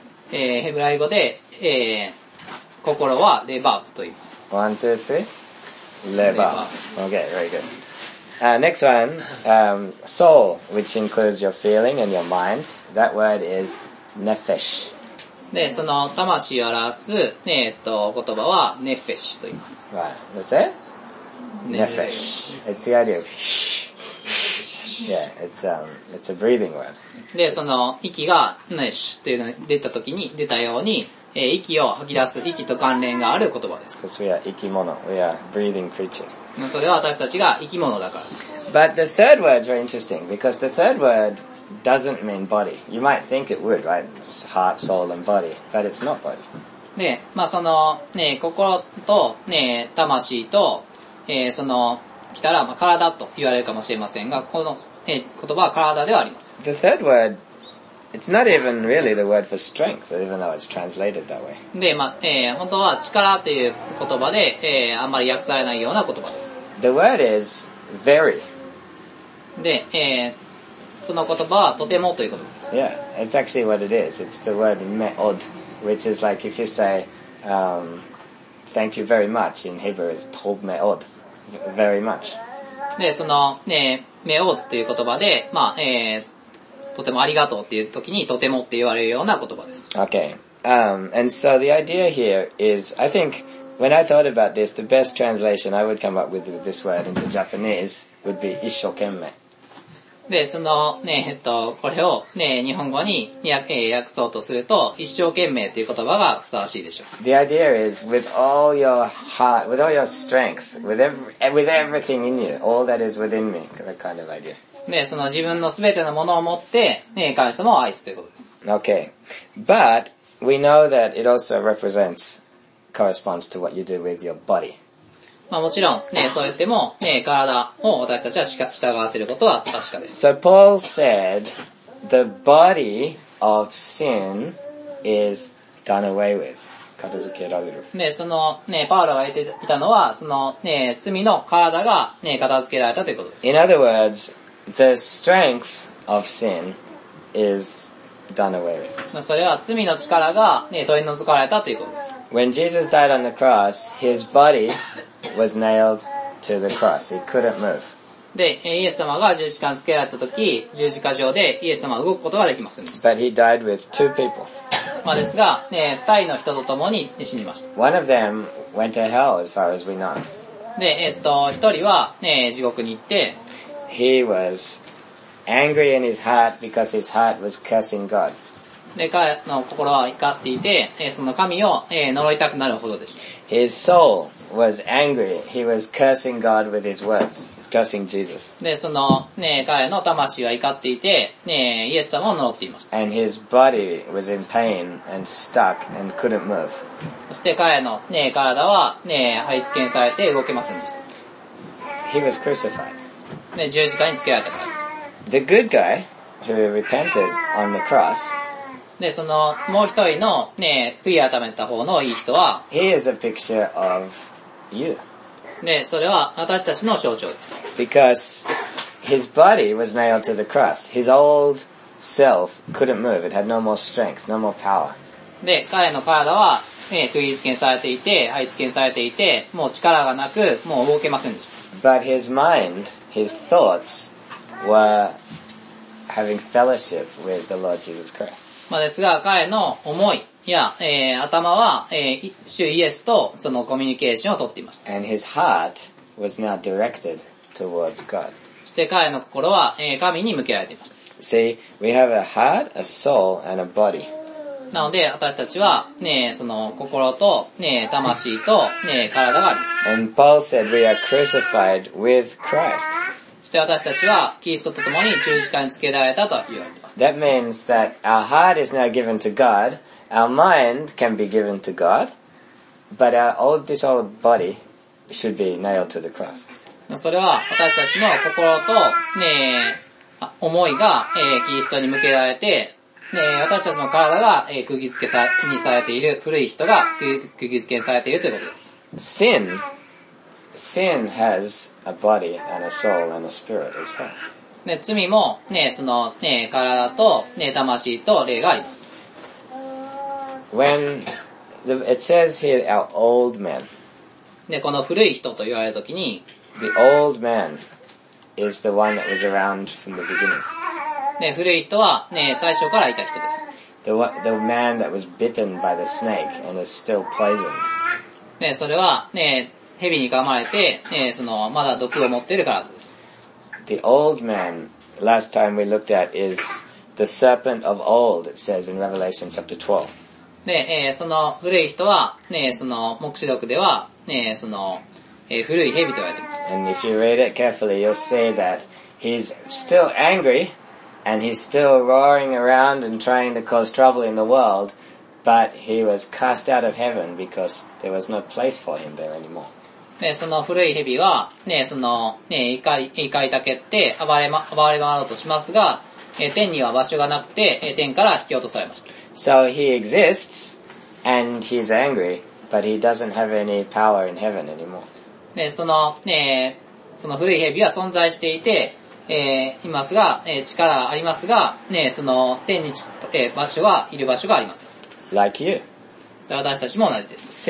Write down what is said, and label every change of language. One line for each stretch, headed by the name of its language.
Japanese: で、ヘブライ語で、心はレバーブと言います。
English: One, two, three. レバーブ。Okay, very good. Next one, soul, which includes your feeling and your mind. That word is nefesh.
Japanese: で、その魂を表す、言葉はネフェシと言います。
English: Right, that's it? Nefesh. It's the idea of shh. Yeah, it's a breathing word.
Japanese: で、その息がネッシュっていうのが出た時に、出たように、息を吐き出す息と関連がある言葉です。
English: Because we are 生き物。 We are breathing creatures.
Japanese: それは私たちが生き物だからです。
English: But the third word is very interesting because the third word doesn't mean body. You might think it would, right? It's heart, soul, and body. But it's not body.
Japanese: で、まあ、その、ね、心と、ね、魂と、その、来たら、まあ、体と言われるかもしれませんが、この、言葉は体ではありません。
English: The third wordIt's not even really the word for strength, even though it's translated that way.
Japanese: で、まあ、本当は力という言葉で、あんまり訳されないような言葉です。
English: The word is very.
Japanese: で、その言葉はとてもということです。
English: Yeah, it's actually what it is. It's the word me'od, which is like if you say, thank you very much in Hebrew, it's tov me'od, very much.
Japanese: で、その、me'od という言葉で、まあ、とてもありがとうっていう時にとてもって言われるような言葉です。
English: Okay. And so the idea here is, I think when I thought about this, the best translation I would come up with this word into Japanese would be 一生懸命。
Japanese: で、そのね、これをね、日本語に訳そうとすると、一生懸命という言葉がふさわしいでしょう。
English: The idea is with all your heart, with all your strength, with everything in you, all that is within me, that kind of idea.
Japanese: で、その自分のすべてのものを持って、ね、神様を愛すということです。
English: Okay. But, we know that it also represents, corresponds to what you do with your body.
Japanese: まあもちろん、ね、そう言っても、ね、体を私たちは従わせることは確かです。
English: So Paul said, the body of sin is done away with.
Japanese: 片付けられる。で、その、ね、パウロが言っていたのは、その、ね、罪の体が、ね、片付けられたということです。
English: In other words,The strength of sin is done away with.
Japanese: それは罪の力が、ね、取り除かれたということです。
English: When Jesus died on the cross, his body was nailed to the cross. He couldn't move.
Japanese: で、イエス様が十字架につけられた時、十字架上でイエス様は動くことができませんでした。
English: But he died with two people.
Japanese: まあですが、ね、二人の人と共に死にました。
English: One of them went to hell as far as we know.
Japanese: で、一人は、ね、地獄に行って、
English: He was angry in his heart because his heart was cursing God.
Japanese: で、彼の心は怒っていて、その神を呪いたくなるほどでした。
English: His soul was angry. He was cursing God with his words, cursing Jesus.
Japanese: で、その、ね、彼の魂は怒っていて、ね、イエス様を呪っていました。
English: And his body was in pain and stuck and couldn't move.
Japanese: そして彼の、ね、体は、ね、張り付けにされて動けませんでした。
English: He was crucified.
Japanese: で、十字架につけられたからです。
English: the good guy who repented on the cross,
Japanese: でそのもう一人のね悔い改めた方のいい人は、
English: he is a picture of you.
Japanese: でそれは私たちの象徴です。
English: Because his body was nailed to the cross, his old self couldn't move. It had no more strength, no more power.
Japanese: で彼の体はね、釘付けにされていて、貼り付けにされていて、もう力がなく、もう動けませんでした。
English: But his mind, his thoughts were having fellowship with the Lord Jesus Christ.
Japanese: まあですが、彼の思いや、頭は、主イエスとそのコミュニケーションを取っていました。
English: And his heart was now directed towards God.
Japanese: そして彼の心は、神に向けられていました。
English: See, we have a heart, a soul, and a body.
Japanese: なので私たちはねその心とね魂とね体があります。
English: And Paul said we are crucified with Christ.
Japanese: そして私たちはキリストと共に十字架につけられたと言われています。
English: That means that our heart is now given to God, our mind can be given to God, but our old this old body should be nailed to the cross.
Japanese: それは私たちの心とね思いが、キリストに向けられて。ね、私たちの体が、釘付けにされている古い人が釘付けにされているということです。
English: Sin has a body and a soul and a spirit as well.
Japanese: ね、罪もね、そのね、体とね、魂と霊があります。
English: When it says here our old man.
Japanese: ね、この古い人と言われるときに、
English: the old man is the one that was around from the beginning.
Japanese: ね、古い人はね、最初からいた人です。
English: The man that was bitten by the snake and is still poisoned.
Japanese: ね、それはね、蛇に噛まれて、ね、その、まだ毒を持っているからです。
English: The old man, last time we looked at, is the serpent of old, it says in Revelation chapter 12.
Japanese: ね、その古い人は、ね、その、黙示録では、ね、その、古い蛇と言われています。
English: And if you read it carefully, you'll see that he's still angry,And he's still roaring around and trying to cause trouble in the world, but he was cast out of heaven because there was no place for him there anymore.
Japanese: ね、その古い蛇は、ね、その、ね、怒りたけって暴れ回ろうとしますが、天には場所がなくて、天から引き落とされました。
English: So he exists, and he's angry, but he doesn't have any power in heaven anymore.
Japanese: ね、その、ね、その古い蛇は存在していて、いますが、力ありますが、ね、その天に、場所はいる場所がありません。
English: Like you.
Japanese: それは私たちも同じです。